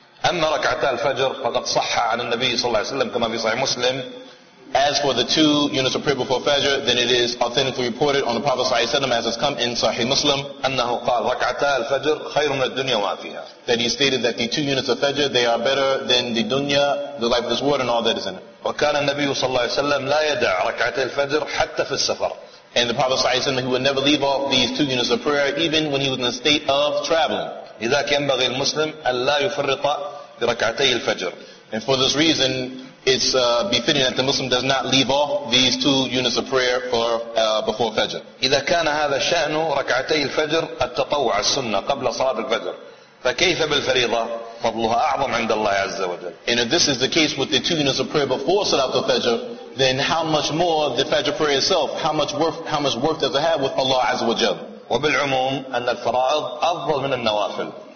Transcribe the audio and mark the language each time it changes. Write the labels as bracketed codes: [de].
[ar] أما ركعتا الفجر فقد صح عن النبي صلى الله عليه وسلم كما في صحيح مسلم. [en] As for the 2 units of prayer before Fajr, then it is authentically reported on the Prophet [ar] صلى الله عليه وسلم [en] as has come in Sahih Muslim [ar] أنه قال ركعتا الفجر خير من الدنيا وما فيها. [en] That he stated that the 2 units of Fajr, they are better than the dunya, the life of this world and all that is in it. [ar] وكان النبي صلى الله عليه وسلم لا يدع ركعتا الفجر حتى في السفر. [en] And the Prophet [ar] صلى الله عليه وسلم, [en] he would never leave off these 2 units of prayer even when he was in a state of traveling. [ar] لذلك ينبغي المسلم أن لا يفرط بركعتي الفجر. [en] And for this reason, it's befitting that the Muslim does not leave off these 2 units of prayer before Fajr. [ar] إذا كان هذا شأن ركعتي الفجر التطوع السنة قبل صلاة الفجر فكيف بالفريضة فضلها أعظم عند الله عز وجل. [en] And if this is the case with the 2 units of prayer before [ar] صلاة الفجر, [en] then how much more the Fajr prayer itself, how much worth does it have with Allah [ar] عز وجل. وبالعموم أن الفرائض أفضل من النوافل.